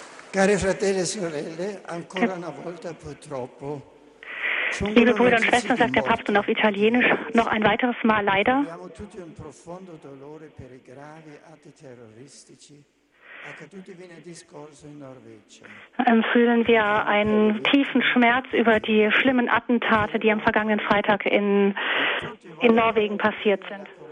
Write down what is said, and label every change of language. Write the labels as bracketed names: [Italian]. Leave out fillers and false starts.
[Italian] Cari fratelli e sorelle, ancora una volta purtroppo. [German] Liebe Brüder und Schwestern, sagt der Papst, und auf Italienisch noch ein weiteres Mal leider. [Italian] Abbiamo tutti un profondo dolore per i gravi atti terroristici accaduti venerdì scorso in Norvegia. [German] Fühlen wir einen tiefen Schmerz über die schlimmen Attentate, die am vergangenen Freitag in Norwegen passiert sind.